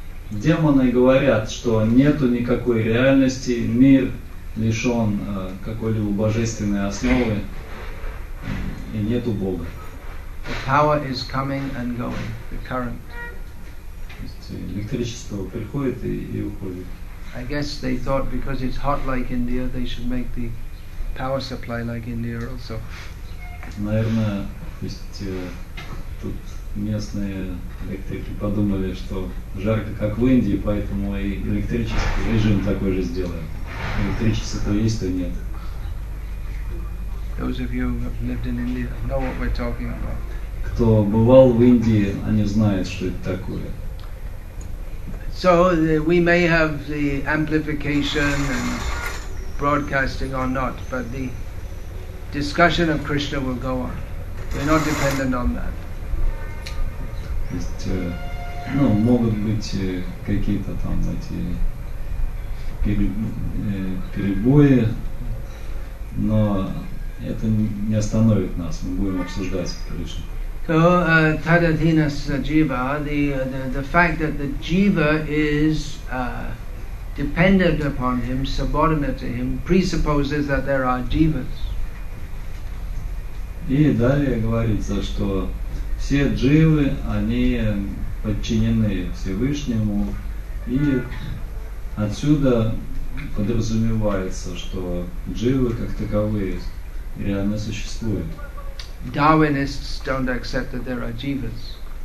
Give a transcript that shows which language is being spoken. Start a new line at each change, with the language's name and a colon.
Russian: Демоны говорят, что нету никакой реальности, мир лишен какой-либо божественной основы, и нету Бога.
English: The power is coming and going, the current.
Russian: То есть электричество приходит и уходит.
English: I guess they thought because it's hot like India, they should make the power supply like India also.
Russian: Наверное, то есть тут местные электрики подумали, что жарко, как в Индии, поэтому и электрический режим такой же сделаем. Электричество то есть, то нет.
English: Those of you who have lived in India know what we're talking about.
Russian: кто бывал в Индии, они знают, что это такое.
English: So we may have the amplification and broadcasting or not, but the discussion of Krishna will go on. We're not dependent on that.
Russian: То есть, ну, могут быть какие-то там эти перебои, но это не остановит нас, мы будем обсуждать Кришну.
English: So,
Sanskrit: tadadhina sajiva,
English: the fact that the jiva is dependent upon him, subordinate to him, presupposes that there are jivas.
Russian: И далее говорится, что все дживы, они подчинены Всевышнему, и отсюда подразумевается, что дживы как таковые реально существуют.
English: Darwinists don't accept that there are jivas.